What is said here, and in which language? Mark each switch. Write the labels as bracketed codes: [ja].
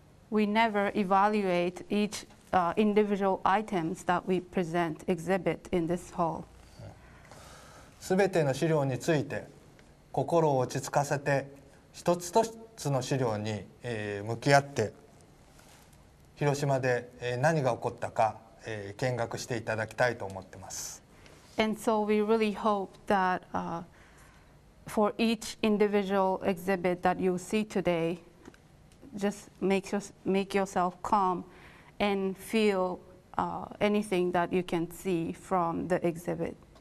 [en] We never evaluate each. Individual items that we present exhibit in this hall. [ja] 全ての資料について心を落ち着かせて一つ一つの資料に向き合って広島で何が起こったか見学していただきたいと思ってます。 [en] And so we really hope that for each individual exhibit that you see today, just make yourself calmAnd feel anything that you can see from the exhibit.